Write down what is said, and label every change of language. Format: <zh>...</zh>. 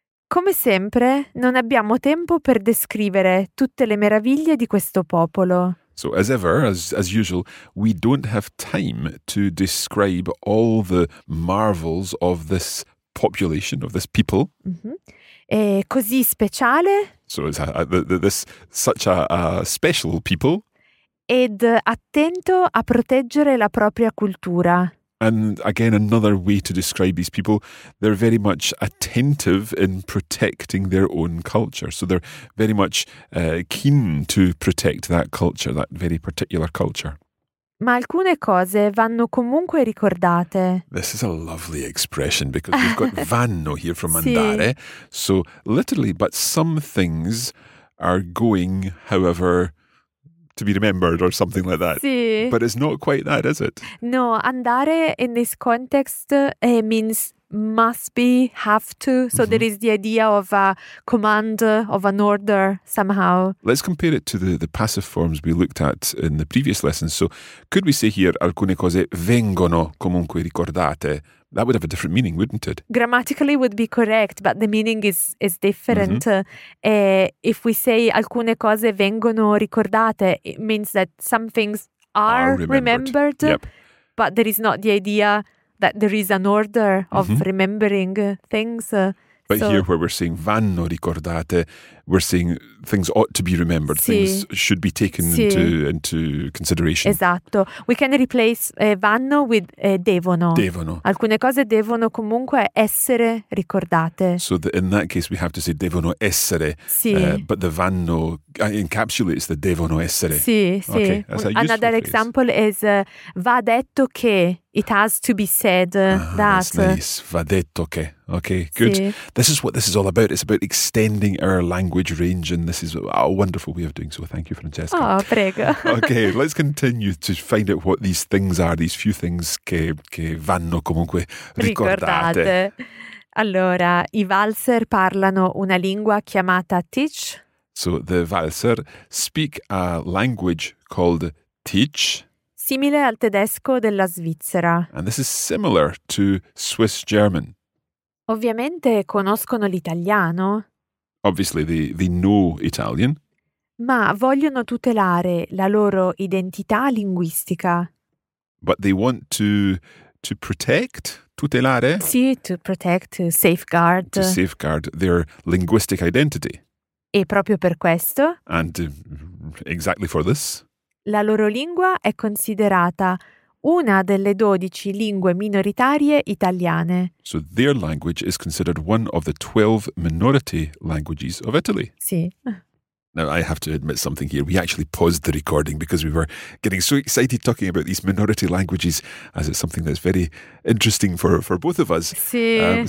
<it>Come sempre, non abbiamo tempo per descrivere tutte le meraviglie di questo popolo.</it> <en>So, as ever, as usual, we don't have time to describe all the marvels of this population, of this people.</en> <it>Mm-hmm. È così speciale.</it> <en>So, it's such a special people.</en> <it>Ed attento a proteggere la propria cultura.</it> <en>And again, another way to describe these people, they're very much attentive in protecting their own culture. So they're very much keen to protect that culture, that very particular culture.</en> <it>Ma alcune cose vanno comunque ricordate.</it> <en>This is a lovely expression because we've got vanno here from andare.</en> <it>Sì.</it> <en>So literally, but some things are going, however... to be remembered or something like that.</en> <it>Sì.</it> <en>But it's not quite that, is it? No, andare in this context means must be, have to. So there is the idea of a command, of an order somehow. Let's compare it to the passive forms we looked at in the previous lesson. So could we say here,</en> <it>alcune cose vengono comunque ricordate,</it> <en>That would have a different meaning, wouldn't it? Grammatically would be correct, but the meaning is different. Mm-hmm. If we say</en> <it>alcune cose vengono ricordate,</it> <en>it means that some things are remembered. Yep. But there is not the idea that there is an order of mm-hmm. remembering things. But here where we're saying</en> <it>vanno ricordate,</it> <en>we're saying things ought to be remembered, things should be taken into consideration. Esatto. We can replace vanno with devono.</en> <it>Devono. Alcune cose devono comunque essere ricordate.</it> <en>So in that case we have to say devono essere, but the vanno encapsulates the devono essere.</en> <it>Sì, sì.</it> <en>Okay. Another example is</en> <it>va detto che.</it> <en>It has to be said that. That's nice.</en> <it>Va detto che.</it> <en>Okay, good.</en> <it>Sì.</it> <en>This is what this is all about. It's about extending our language range, and this is a wonderful way of doing so. Thank you, Francesca.</en> <it>Oh, prego.</it> <en>Okay, let's continue to find out what these things are, these few things</en> <it>che vanno comunque ricordate. Allora, i valzer parlano una lingua chiamata Tich.</it> <en>So the valzer speak a language called Tich.</en> <it>Simile al tedesco della Svizzera.</it> <en>And this is similar to Swiss German.</en> <it>Ovviamente conoscono l'italiano.</it> <en>Obviously they know Italian.</en> <it>Ma vogliono tutelare la loro identità linguistica.</it> <en>But they want to protect, tutelare? Sì, to protect, to safeguard. To safeguard their linguistic identity.</en> <it>E proprio per questo?</it> <en>And exactly for this.</en> <it>La loro lingua è considerata una delle 12 lingue minoritarie italiane.</it> <en>So their language is considered one of the 12 minority languages of Italy.</en> <it>Sì.</it> <en>Now I have to admit something here. We actually paused the recording because we were getting so excited talking about these minority languages as it's something that's very interesting for both of us.</en> <it>Sì.</it>